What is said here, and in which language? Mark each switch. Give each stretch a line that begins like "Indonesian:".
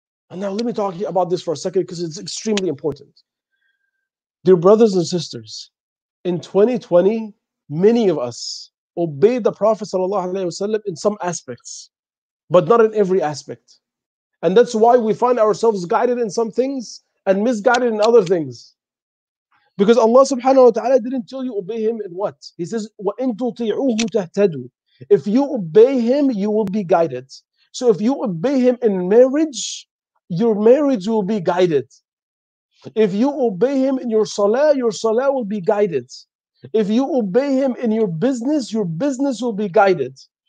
English: And now let me talk about this for a second because it's extremely important. Dear brothers and sisters, in 2020, many of us obeyed the Prophet ﷺ in some aspects, but not in every aspect. And that's why we find ourselves guided in some things and misguided in other things. Because Allah subhanahu wa ta'ala didn't tell you obey him in what? He says,
Arabic: وَإِن تُطِيعُوهُ تَهْتَدُوا.
English: If you obey him, you will be guided. So if you obey him in marriage, your marriage will be guided. If you obey him in your salah will be guided. If you obey him in your business will be guided.